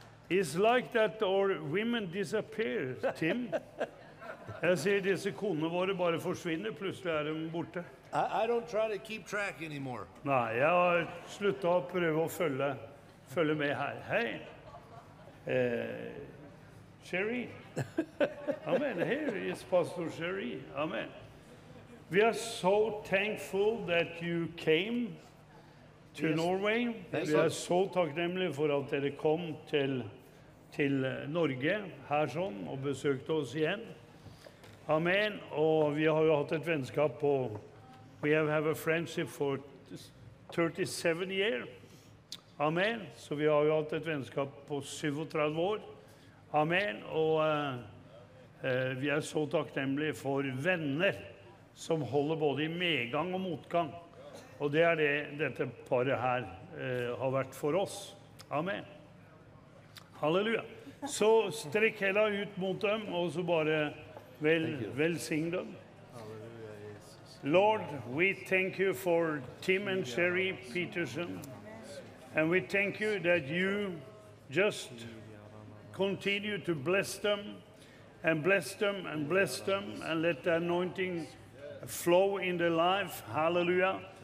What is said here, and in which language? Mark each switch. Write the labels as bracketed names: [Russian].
[English] It's like that our women disappear, Tim. [Norwegian] Jeg sier disse konene våre bare forsvinner, plutselig er de borte. [English] I don't try to keep track anymore. [Norwegian] Nei, jeg har sluttet å prøve å følge med her. Hei. Sherry. Amen. [English] Here is Pastor Sherry. Amen. We are so thankful that you came to Norway. [Norwegian] Vi er så takknemlige for at dere kom til [Swedish] till Norge här som och besökte oss igen. Amen. Och vi har ju haft ett vänskap på [English] we have a friendship for 37 years. [Swedish] Amen. Så vi har ju haft ett vänskap på 37 år. Amen. Och vi är så tacksamma för vänner som håller både I medgång och motgång. Och det är det detta par här har varit för oss. Amen. Halleluja. Så sträck hela ut mot dem och så bara välsign dem. [English] Lord, we thank you for Tim and Sherry Peterson. And we thank you that you just continue to bless them and bless them and bless them and let the anointing flow in their life. Hallelujah.